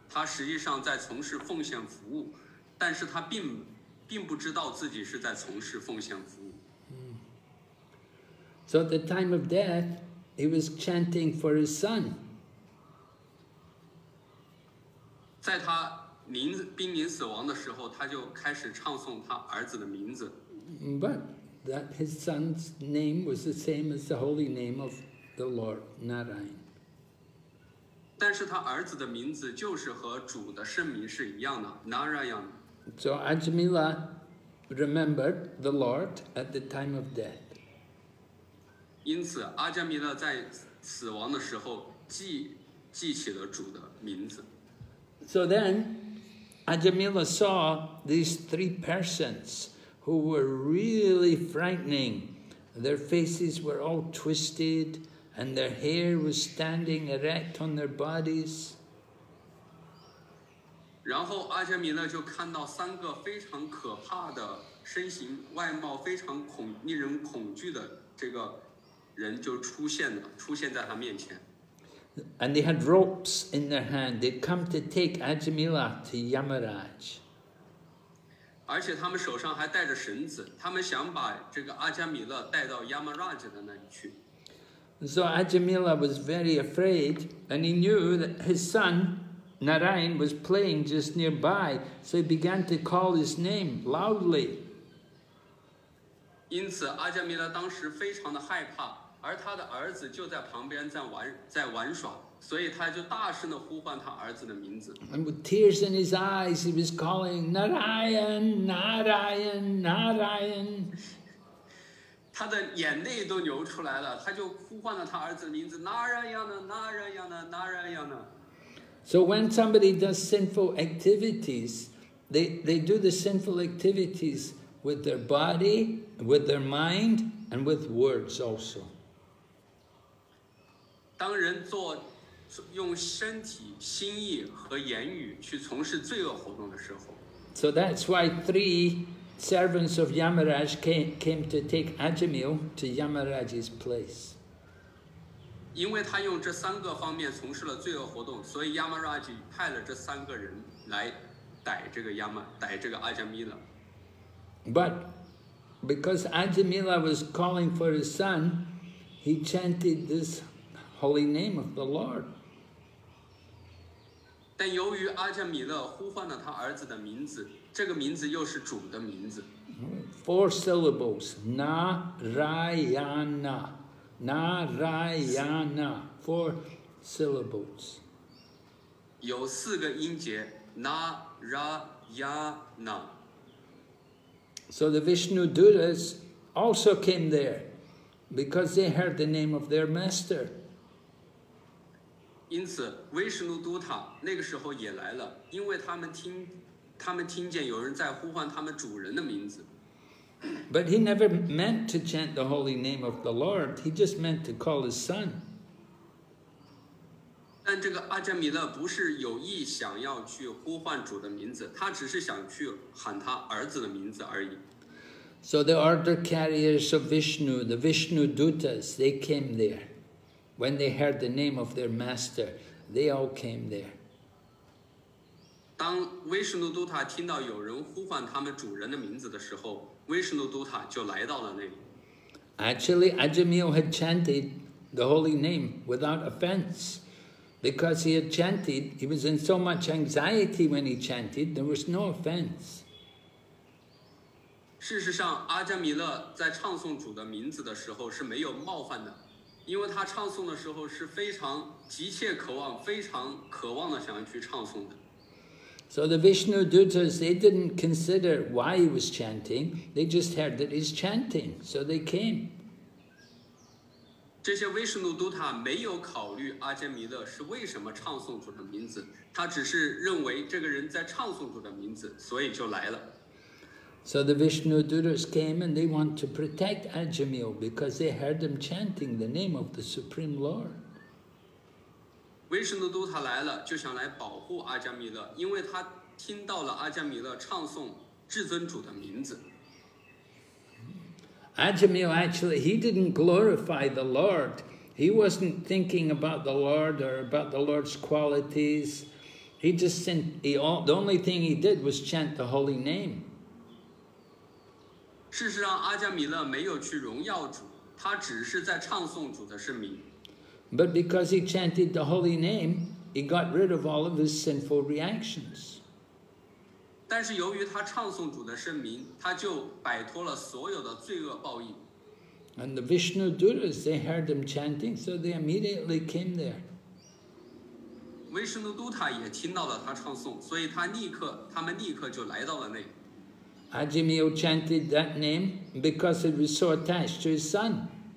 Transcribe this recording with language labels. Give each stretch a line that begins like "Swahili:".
Chinese: 他实际上在从事奉献服务，但是他并不知道自己是在从事奉献服务。
English: So at the time of death, he was chanting for his son.
Chinese: 在他名字濒临死亡的时候，他就开始唱诵他儿子的名字。
English: But that his son's name was the same as the holy name of the Lord, Narayan.
Chinese: 但是他儿子的名字就是和主的圣名是一样的 ，Narayan.
English: So Ajmila remembered the Lord at the time of death.
Chinese: 因此，阿加米拉在死亡的时候记起了主的名字。
English: So then, Ajamila saw these three persons who were really frightening. Their faces were all twisted, and their hair was standing erect on their bodies.
Chinese: 然后阿加米勒就看到三个非常可怕的身形，外貌非常令人恐惧的这个人就出现在他面前。
English: And they had ropes in their hand. They'd come to take Ajmila to Yamaraj.
Chinese: 而且他们手上还带着绳子，他们想把这个阿加米勒带到 Yamaraj 的那里去。
English: So Ajmila was very afraid, and he knew that his son Narayan was playing just nearby. So he began to call his name loudly.
Chinese: 因此，阿加米勒当时非常的害怕。而他的儿子就在旁边在玩耍，所以他就大声地呼唤他儿子的名字。
English: And with tears in his eyes, he was calling Narayan, Narayan, Narayan.
Chinese: 他的眼泪都流出来了，他就呼唤了他儿子的名字 Narayan, Narayan, Narayan.
English: So when somebody does sinful activities, they do the sinful activities with their body, with their mind, and with words also.
Chinese: 当人做用身体、心意和言语去从事罪恶活动的时候
English: ，So that's why three servants of Yamaraj came to take Ajmil to Yamaraj's place.
Chinese: 因为他用这三个方面从事了罪恶活动，所以 Yamaraj 派了这三个人来逮这个阿加米勒。
English: But because Ajmila was calling for his son, he chanted this. Holy name of the Lord.
Chinese: 但由于阿加米勒呼唤了他儿子的名字，这个名字又是主的名字。
English: Four syllables, Narayana, Narayana, four syllables.
Chinese: 有四个音节 ，Narayana.
English: So the Vishnu Duras also came there because they heard the name of their master.
Chinese: 因此，维什努都塔那个时候也来了，因为他们听见有人在呼唤他们主人的名字。
English: But he never meant to chant the holy name of the Lord. He just meant to call his son.
Chinese: 但这个阿加米勒不是有意想要去呼唤主的名字，他只是想去喊他儿子的名字而已。
English: So the order carriers of Vishnu, the Vishnu Dutas, they came there. When they heard the name of their master, they all came there.
Chinese: 当维什努都塔听到有人呼唤他们主人的名字的时候，维什努都塔就来到了那里。
English: Actually, Ajmil had chanted the holy name without offense, because he was in so much anxiety when he chanted, there was no offense.
Chinese: 事实上，阿加米勒在唱诵主的名字的时候是没有冒犯的。因为他唱诵的时候是非常急切渴望、非常渴望的想要去唱诵的。
English: So the Vishnu Dutas, they didn't consider why he was chanting. They just heard that he's chanting, so they came.
Chinese: 这些维什努都塔没有考虑阿加米勒是为什么唱诵主的名字，他只是认为这个人在唱诵主的名字，所以就来了。
English: So the Vishnu Duras came and they want to protect Ajmil because they heard him chanting the name of the Supreme Lord.
Chinese: Vishnu Duta 来了就想来保护阿加米勒，因为他听到了阿加米勒唱诵至尊主的名字。
English: Ajmil actually, he didn't glorify the Lord. He wasn't thinking about the Lord or about the Lord's qualities. The only thing he did was chant the holy name.
Chinese: 事实上，阿加米勒没有去荣耀主，他只是在唱诵主的圣名。
English: But because he chanted the holy name, He got rid of all of his sinful reactions.
Chinese: 但是由于他唱诵主的圣名，他就摆脱了所有的罪恶报应。
English: And the Vishnu Duras, they heard him chanting, so they immediately came there.
Chinese: Vishnu Duta 也听到了他唱诵，所以他们立刻就来到了那里。
English: Ajimiyo chanted that name because it was so attached to his son.